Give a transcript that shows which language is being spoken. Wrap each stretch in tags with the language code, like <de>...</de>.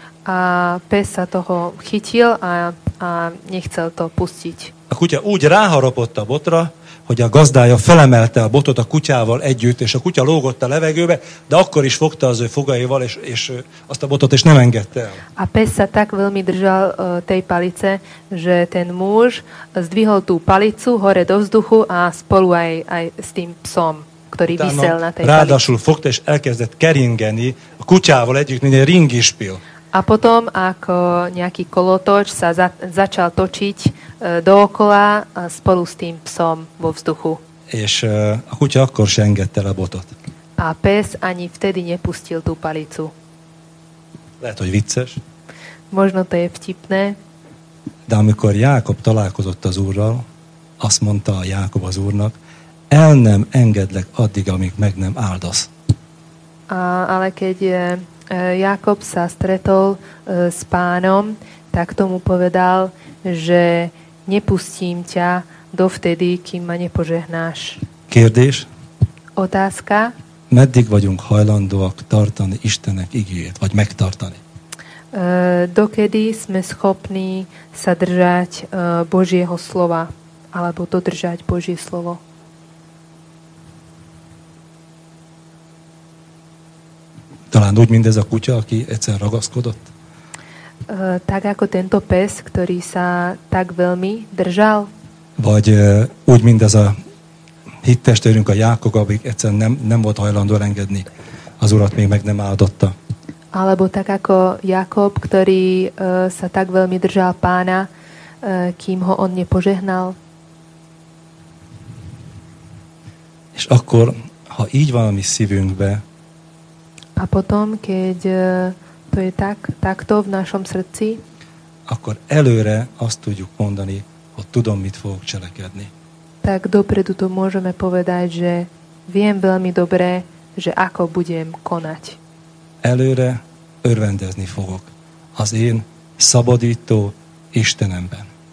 <sk>A pes sa toho chytil a nechcel to pustiť.</sk> <hu>A kutya úgy ráharapott a botra, hogy a gazdája felemelte a botot a kutyával együtt, és a kutya lógott a levegőbe, de akkor is fogta az ő fogaival, és azt a botot, és nem engedte el.</hu> <sk>A pes sa tak veľmi držal tej palice, že ten muž zdvihol tú palicu hore do vzduchu a spolu aj s tým psom, ktorý visel na tej palici.</sk> <hu>Ráadásul fogta, és elkezdett keringeni a kutyával együtt, mint egy ringispil.</hu> <sk>A potom, ako nejaký kolotoč sa začal točiť dookola spolu s tým psom vo vzduchu.</sk> <hu>És a kutya akkor se engedte le botot.</hu> <sk>A pes ani vtedy nepustil tú palicu.</sk> <hu>Lehet, hogy vicces.</hu> <sk>Možno to je vtipné.</sk> <hu>De amikor Jákob találkozott az Úrral, azt mondta a Jákob az Úrnak, el nem engedlek addig, amíg meg nem áldasz.</hu> <sk>Ale keď Jákob sa stretol s Pánom, tak tomu povedal, že nepustím ťa dovtedy, kým ma nepožehnáš.</sk> <hu>Kérdés?</hu> <sk>Otázka?</sk> <hu>Meddig vagyunk hajlandóak tartani Istenek igéjét, vagy megtartani?</hu> <sk>Dokedy sme schopní sa držať Božieho slova, alebo dodržať Božie slovo?</sk> <hu>Talán úgy, mint ez a kutya, aki egyszer ragaszkodott?</hu> <sk>Tak ako tento pes, ktorý sa tak veľmi držal?</sk> <hu>Vagy úgy, mint ez a hittestőrünk, a Jákob, aki egyszer nem volt hajlandó engedni, az Urat még meg nem áldotta.</hu> <sk>Alebo tak ako Jákob, ktorý sa tak veľmi držal Pána, kým ho on nepožehnal?</sk> <hu>És akkor, ha így valami szívünkbe,</hu> <sk>a potom, keď to je takto v našom srdci,</sk> <hu>akkor előre azt tudjuk mondani, hogy tudom, mit fogok cselekedni.</hu> <sk>Tak dopredu to môžeme povedať, že viem veľmi dobre, že ako budem konať.</sk> <hu>Előre örvendezni fogok az én szabadító Istenemben.</hu>